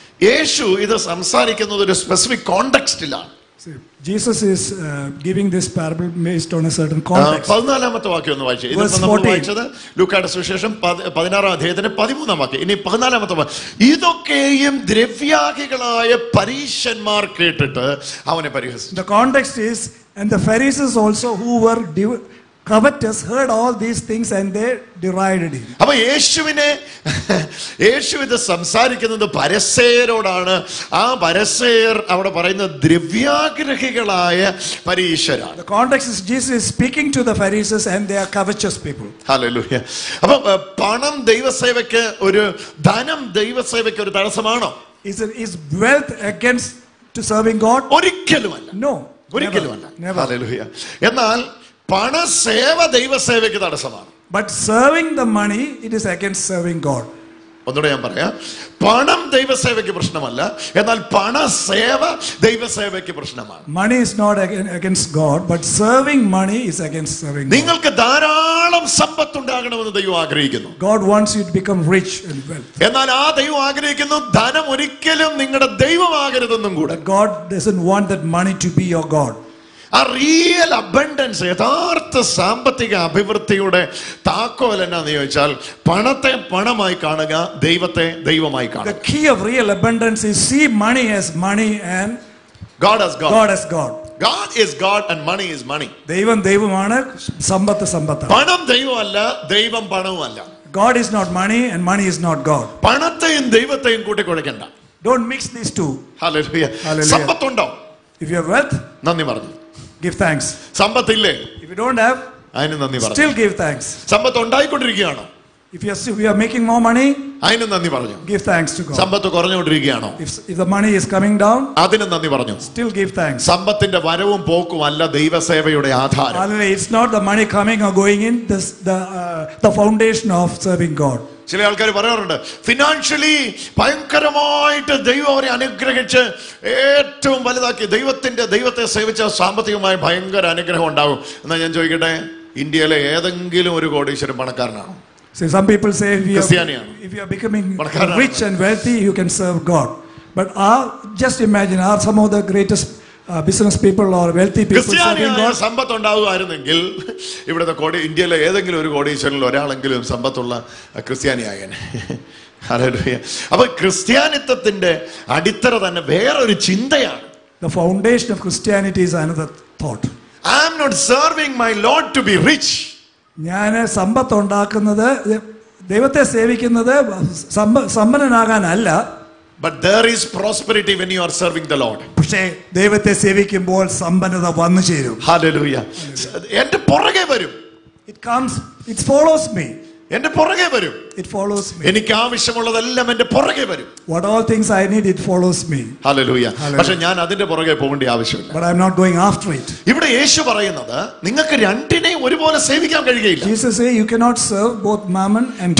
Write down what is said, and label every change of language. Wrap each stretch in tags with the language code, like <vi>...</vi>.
<ml>യേശു ഇത് സംസാരിക്കുന്നത് ഒരു specific കോണ്ടെക്സ്റ്റിലാണ്.</ml> <en>Jesus is giving this parable based on a certain context.</en> <ml>14-ാമത്തെ വാക്യം ഒന്ന് വായിച്ചേ. ഇത് നമ്മൾ വായിച്ചത് ലൂക്കായുടെ സുവിശേഷം 16-ാം അധ്യായത്തിന്റെ 13-ാം വാക്യം. ഇനി 14-ാമത്തെ വാക്യം. ഇതൊക്കെയും ദ്രവ്യാഗികളായ പരീശന്മാർ കേട്ടിട്ട് അവനെ പരിഹസിച്ചു.</ml> <en>The context is, and the Pharisees also who were covetous heard all these things and they derided him.</en> <ml>അപ്പോൾ യേശു ഇത് സംസാരിക്കുന്നത് പരസേരോടാണ്. ആ പരസേർ അവിടെ പറയുന്ന ദ്രവ്യാഗ്രഹികളായ പരീശരാണ്.</ml> <en>The context is Jesus is speaking to the Pharisees and they are covetous people. Hallelujah.</en> <ml>അപ്പോൾ പണം ദൈവസേവയ്ക്ക് ഒരു ധനം ദൈവസേവയ്ക്ക് ഒരു തടസ്സമാണോ?</ml> <en>Is wealth against to serving God?</en> <ml>ഒരിക്കലുമല്ല.</ml> <en>No.</en> <ml>ഒരിക്കലുമല്ല. Hallelujah. എന്നാൽ പണ സേവ ദൈവസേവയ്ക്ക് തടസ്സമാണ്.</ml> <en>But serving the money, it is against serving God.</en> <ml>ഒന്നുകൂടെ ഞാൻ പറയാം, പണം ദൈവസേവയ്ക്ക് പ്രശ്നമല്ല, എന്നാൽ പണ സേവ ദൈവസേവയ്ക്ക് പ്രശ്നമാണ്.</ml> <en>Money is not against God, but serving money is against serving God.</en> <ml>നിങ്ങൾക്ക് ധാരാളം സമ്പത്ത് ഉണ്ടാകണമെന്ന് ദൈവം ആഗ്രഹിക്കുന്നു.</ml> <en>God wants you to become rich and wealth.</en> <ml>എന്നാൽ ആ ദൈവം ആഗ്രഹിക്കുന്നു ധനം ഒരിക്കലും നിങ്ങളുടെ ദൈവമാകരുതെന്നും കൂടെ.</ml> <en>God doesn't want that money to be your God.</en> <ml>ആ റിയൽ അബണ്ടൻസ്, യഥാർത്ഥ സാമ്പത്തിക അഭിവൃദ്ധിയുടെ താക്കോൽ എന്നാന്ന് ചോദിച്ചാൽ, പണത്തെ പണമായി കാണുക, ദൈവത്തെ ദൈവമായി കാണുക.</ml> <en>The key of real abundance is see money as money and God as God. God as God. God is God and money is money.</en> <ml>ദൈവം ദൈവമാണ്, സമ്പത്ത് സമ്പത്ത്. പണം ദൈവമല്ല, ദൈവം പണവുമല്ല.</ml> <en>God is not money and money is not God.</en> <ml>പണത്തെയും ദൈവത്തെയും കൂട്ടി കുഴയ്ക്കണ്ട.</ml> <en>Don't mix these two. Hallelujah. Hallelujah.</en> <ml>സമ്പത്തുണ്ടോ?</ml> <en>If you have wealth,</en> <ml>നന്ദി പറഞ്ഞു.</ml> <en>Give thanks.</en> <ml>സമ്പത്തില്ലേ?</ml> <en>If you don't have,</en> <ml>അതിനു നന്ദി പറഞ്ഞു.</ml> <en>Still give thanks.</en> <ml>Sampath ഉണ്ടായിക്കൊണ്ടിരിക്കുകയാണോ?</ml> <en>If you are making more money,</en> <ml>അതിനു നന്ദി പറഞ്ഞു.</ml> <en>Give thanks to God.</en> <ml>Sampath കുറഞ്ഞുകൊണ്ടിരിക്കുകയാണോ?</ml> <en>If the money is coming down,</en> <ml>അതിനു നന്ദി പറഞ്ഞു.</ml> <en>Still give thanks.</en> <ml>സമ്പത്തിന്റെ വരവും പോക്കും അല്ല ദൈവസേവയുടെ ആധാരം.</ml> <en>Hallelujah. It's not the money coming or going in, this the foundation of serving God.</en> <ml>ചില ആൾക്കാർ പറയാറുണ്ട്, ഫിനാൻഷ്യലി ഭയങ്കരമായിട്ട് ദൈവം അവരെ അനുഗ്രഹിച്ച് ഏറ്റവും വലുതാക്കി, ദൈവത്തിന്റെ ദൈവത്തെ സേവിച്ച സാമ്പത്തികമായി ഭയങ്കര അനുഗ്രഹം ഉണ്ടാവും. എന്നാ ഞാൻ ചോദിക്കട്ടെ, ഇന്ത്യയിലെ ഏതെങ്കിലും ഒരു കോടീശ്വരൻ പണക്കാരനാണ്?</ml> <en>See, some people say if you are becoming rich and wealthy, you can serve God. But just imagine, are some of the greatest business people or wealthy people serving God?</en> <ml>സമ്പത്ത് ഉണ്ടാവുകയായിരുന്നെങ്കിൽ ഇവിടുത്തെ കോടി ഇന്ത്യയിലെ ഏതെങ്കിലും ഒരു കോടീശ്വരനിൽ ഒരാളെങ്കിലും സമ്പത്തുള്ള ക്രിസ്ത്യാനി ആകാൻ. Hallelujah. അപ്പൊ ക്രിസ്ത്യാനിത്വത്തിന്റെ അടിത്തറ തന്നെ വേറൊരു ചിന്തയാണ്.</ml> <en>The foundation of Christianity is another thought. I am not serving my Lord to be rich.</en> <ml>ഞാൻ സമ്പത്ത് ഉണ്ടാക്കുന്നത്, ദൈവത്തെ സേവിക്കുന്നത് സമ്പന്നനാകാനല്ല.</ml> <en>But there is prosperity when you are serving the Lord.</en> <ml>പക്ഷേ ദൈവത്തെ സേവിക്കുമ്പോൾ സമ്പന്നത വന്നു ചേരും. Hallelujah. എന്റെ പുറകെ വരും.</ml> <en>It follows me.</en> <ml>എന്റെ പുറകെ വരും.</ml> <en>It follows me.</en> <ml>എനിക്ക് ആവശ്യമുള്ളതെല്ലാം എന്റെ പുറകെ വരും.</ml> <en>What all things I need, it follows me. Hallelujah.</en> <ml>പക്ഷേ ഞാൻ അതിന്റെ പുറകെ പോകേണ്ട ആവശ്യമില്ല.</ml> <en>But I'm not going after it.</en> <ml>ഇവിടെ യേശു പറയുന്നത് നിങ്ങൾക്ക് രണ്ടിനെ ഒരുപോലെ സേവിക്കാൻ കഴിയില്ല.</ml> <en>Jesus says you cannot serve both mammon and</en>